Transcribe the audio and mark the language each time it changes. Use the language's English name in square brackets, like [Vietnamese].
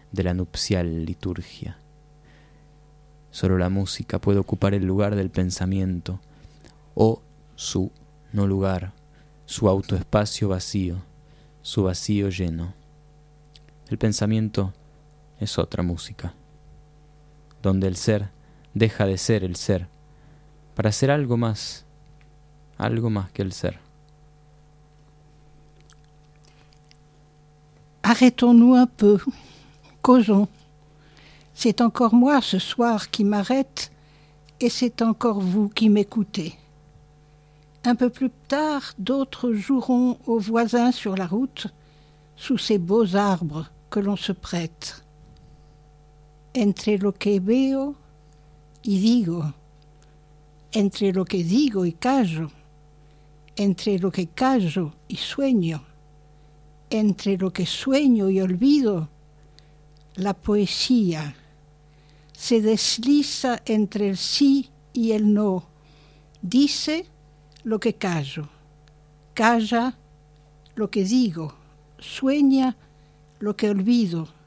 [Spanish] de la nupcial liturgia. Solo la música puede ocupar el lugar del pensamiento, o su no lugar, su autoespacio vacío, su vacío lleno. El pensamiento es otra música, donde el ser deja de ser el ser, para ser algo más que el ser. [French] Arrêtons-nous un peu, causons. C'est encore moi ce soir qui m'arrête, et c'est encore vous qui m'écoutez. Un peu plus tard, d'autres joueront aux voisins sur la route, sous ces beaux arbres que l'on se prête. [Spanish] Entre lo que veo y digo, entre lo que digo y callo, entre lo que callo y sueño, entre lo que sueño y olvido, la poesía se desliza entre el sí y el no, dice lo que callo, calla lo que digo, sueña lo que olvido.